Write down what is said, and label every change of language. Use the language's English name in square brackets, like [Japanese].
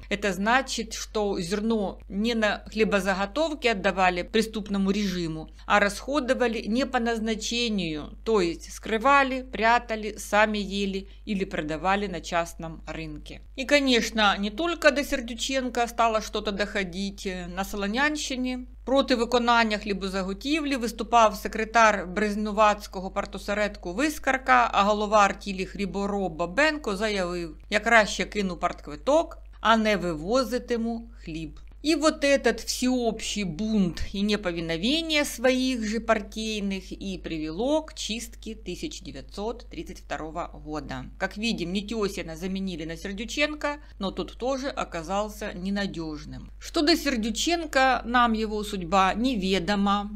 [Russian] Это значит, что зерно не на хлебозаготовки отдавали преступному режиму, а расходовали не по назначению, то есть скрывали, прятали, сами ели или продавали на частном рынке. И, конечно, не только до Сердюченко стало что-то доходить на Солонянщине. [Ukrainian] Проти виконання хлібозаготівлі виступав секретар Брезнуватського партосередку Вискарка, а голова артілі хліборо Бабенко заявив: «Я краще кину партквиток, а не вивозитиму хліб». [Russian] И вот этот всеобщий бунт и неповиновение своих же партийных и привело к чистке 1932 года. Как видим, Нетесина заменили на Сердюченко, но тот тоже оказался ненадежным. Что до Сердюченко, нам его судьба неведома.